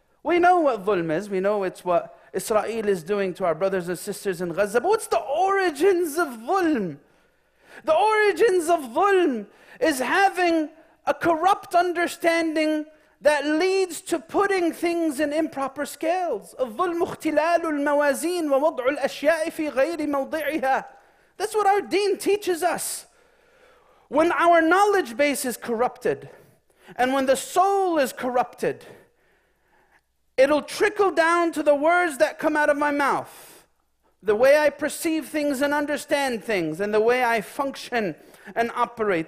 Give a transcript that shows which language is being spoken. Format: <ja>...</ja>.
<en>We know what dhulm is. We know it's what Israel is doing to our brothers and sisters in Gaza. But what's the origins of dhulm? The origins of dhulm is having a corrupt understanding that leads to putting things in improper scales.</en> <ar>الظلم اختلال الموازين ووضع الأشياء في غير موضعها.</ar> <en>That's what our deen teaches us. When our knowledge base is corrupted, and when the soul is corrupted, it'll trickle down to the words that come out of my mouth. The way I perceive things and understand things, and the way I function and operate.</en>